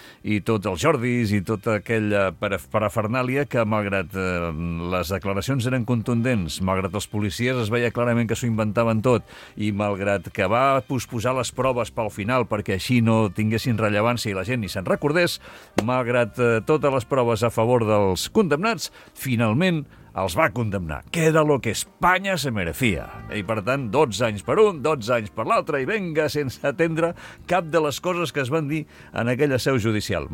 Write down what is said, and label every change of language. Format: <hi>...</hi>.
<ca>i tots els Jordis i tota aquella parafernàlia que, malgrat les declaracions eren contundents, malgrat els policies es veia clarament que s'ho inventaven tot, i malgrat que va posposar les proves pel final perquè així no tinguessin rellevància i la gent ni se'n recordés, malgrat totes les proves a favor dels condemnats, finalment els va condemnar.</ca> <es>Que era lo que Espanya se merecía.</es> <ca>I, per tant, 12 anys per un, 12 anys per l'altre, i venga, sense atendre cap de les coses que es van dir en aquella seu judicial.</ca>